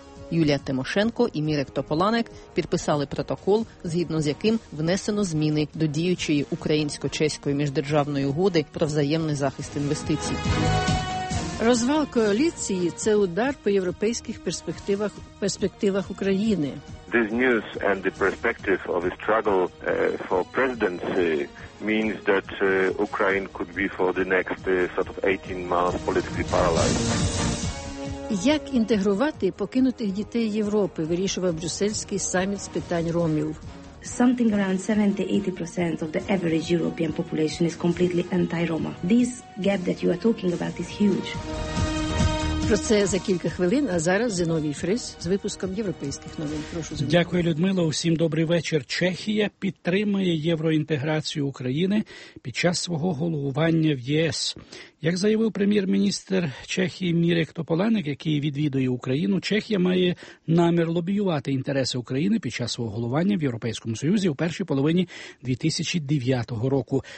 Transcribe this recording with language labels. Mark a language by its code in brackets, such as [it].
[uk] Юлія Тимошенко і Мірек Тополанек підписали протокол, згідно з яким внесено зміни до діючої українсько-чеської міждержавної угоди про взаємний захист інвестицій. Розвал коаліції – це удар по європейських перспективах України. [en] This news and the perspective of a struggle for presidency means that Ukraine could be for the next sort of 18 months politically paralyzed. [uk] Як інтегрувати покинутих дітей Європи, вирішував брюссельський саміт з питань ромів. [en] Something around 70-80% of the average European population is completely anti-Roma. This gap that you are talking about is huge. [uk] Про це за кілька хвилин, а зараз Зіновій Фріс з випуском європейських новин. Прошу, Зіновій. Дякую, Людмило. Усім добрий вечір. Чехія підтримує євроінтеграцію України під час свого головування в ЄС. Як заявив прем'єр-міністр Чехії Мірек Тополанек, який відвідує Україну, Чехія має намір лобіювати інтереси України під час свого головування в Європейському Союзі у першій половині 2009 року.